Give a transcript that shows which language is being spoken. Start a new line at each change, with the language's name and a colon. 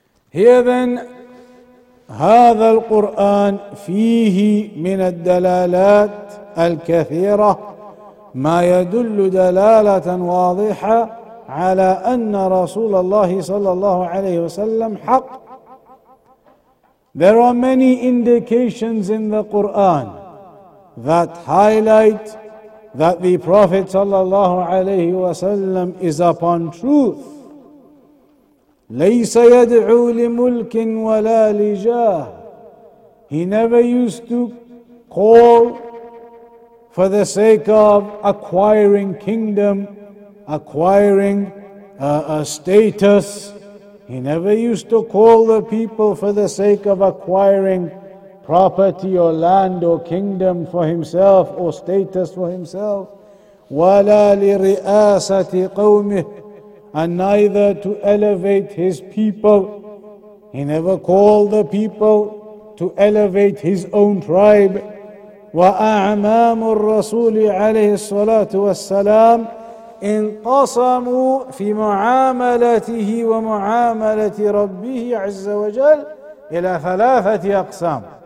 English: Here then,
Arabic: هذا القرآن فيه من الدلالات الكثيرة ما يدل دلالة واضحة على أن رسول الله صلى الله عليه وسلم حق.
English: There are many indications in the Quran that highlight that the Prophet sallallahu alayhi wasallam is upon truth.
Arabic: لَيْسَ يَدْعُو لِمُلْكٍ وَلَا لِجَاهِ.
English: He never used to call for the sake of acquiring kingdom, acquiring a status. He never used to call the people for the sake of acquiring property or land or kingdom for himself or status for himself.
Arabic: وَلَا لِرِئَاسَةِ قَوْمِهِ.
English: And neither to elevate his people. He never called the people to elevate his own tribe.
Arabic: وَأَعْمَامُ الرَّسُولِ عَلَيْهِ الصَّلَاةُ وَالسَّلَامُ انقسموا في معاملته ومعاملة ربه عز وجل إلى ثلاثة أقسام.